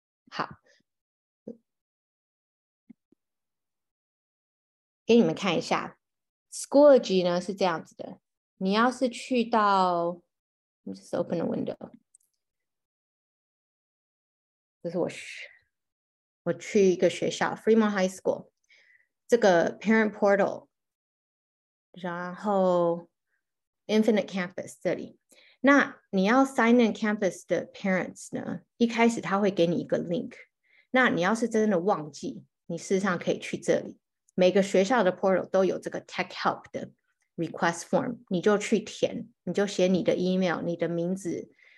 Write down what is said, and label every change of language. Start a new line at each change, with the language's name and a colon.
Chinese: 好，给你们看一下 Schoology 呢是这样子的。你要是去到 ，
English: Let me just open a window。
Chinese: 这是我去一个学校 Fremont High School 这个 Parent Portal， 然后 Infinite Campus 这里，那你要 sign in campus 的 parents 呢，一开始他会给你一个 link， 那你要是真的忘记，你事实上可以去这里，每个学校的 portal 都有这个 tech help 的 request form， 你就去填，你就写你的 email， 你的名字，